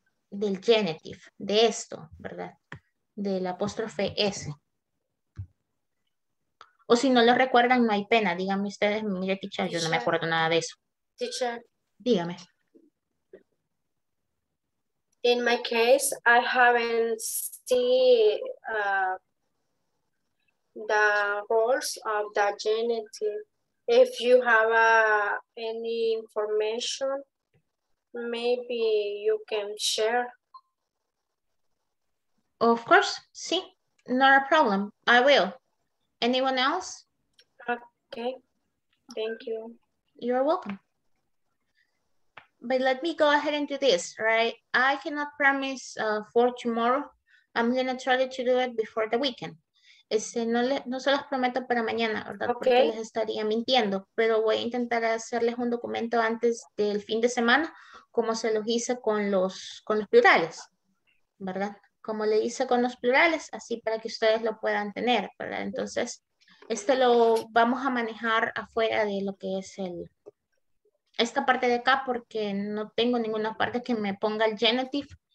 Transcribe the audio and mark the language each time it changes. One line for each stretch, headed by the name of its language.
Spanish: Del genitive, de esto, ¿verdad? Del apóstrofe S. O si no lo recuerdan, no hay pena. Díganme ustedes, mire, teacher, yo no me acuerdo nada de eso. Teacher. Dígame.
English: In my case, I haven't seen the roles of the genitive. If you have any information maybe you can share. Of course,
Spanish: sí,
English: not a problem. I will. Anyone else? Okay, thank you. You're welcome. But let me go ahead and do this, right? I cannot promise for tomorrow. I'm going to try to do it before the weekend.
Spanish: No se los prometo para mañana, ¿verdad?
English: Okay.
Spanish: Porque les estaría mintiendo. Pero voy a intentar hacerles un documento antes del fin de semana, como se los hice con los plurales, ¿verdad? Como le hice con los plurales, así para que ustedes lo puedan tener, ¿verdad? Entonces, este lo vamos a manejar afuera de lo que es esta parte de acá, porque no tengo ninguna parte que me ponga el genitive.